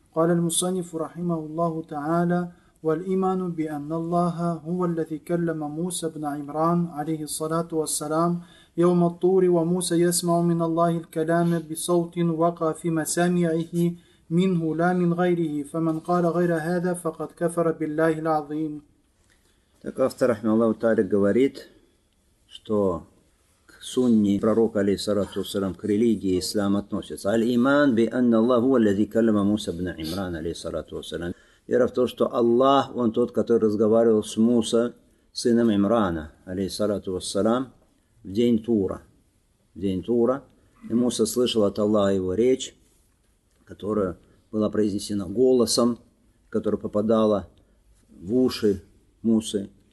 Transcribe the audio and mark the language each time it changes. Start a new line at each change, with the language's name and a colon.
Arabic: قال المصنف رحمه الله تعالى: والإيمان بأن الله هو الذي كلم موسى بن عمران عليه الصلاة والسلام يوم الطور، وموسى يسمع من الله الكلام بصوت وقع في مسامعه منه لا من غيره، فمن قال غير هذا فقد كفر بالله العظيم. تكافت رحمه الله تعالى
Russian: говорит, что к сунне пророка عليه الصلاة والسلام, к религии ислам относится.
Arabic: الإيمان بأن الله هو الذي كلم موسى بن عمران عليه الصلاة والسلام.
Russian: Вера в то, что Аллах, Он тот, который разговаривал с Муса, сыном Имрана, алейхиссалату вассалам, в день Тура. В день Тура. И Муса слышал от Аллаха его речь, которая была произнесена голосом, которая попадала в уши Мусы.